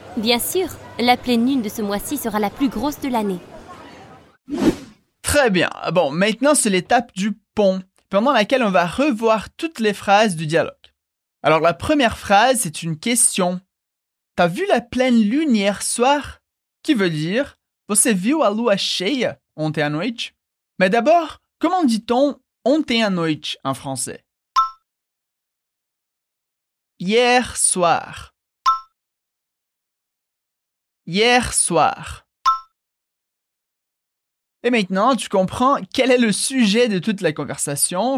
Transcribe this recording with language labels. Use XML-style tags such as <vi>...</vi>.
<fr>Bien sûr. La pleine lune de ce mois-ci sera la plus grosse de l'année. Très bien. Bon, maintenant, c'est l'étape du pont, pendant laquelle on va revoir toutes les phrases du dialogue. Alors, la première phrase, c'est une question. T'as vu la pleine lune hier soir? Qui veut dire?</fr> <pt>Você viu a lua cheia ontem à noite?</pt> <fr>Mais d'abord, comment dit-on</fr> <pt>ontem à noite</pt> <fr>en français? Hier soir. Hier soir. Et maintenant, tu comprends quel est le sujet de toute la conversation.</fr>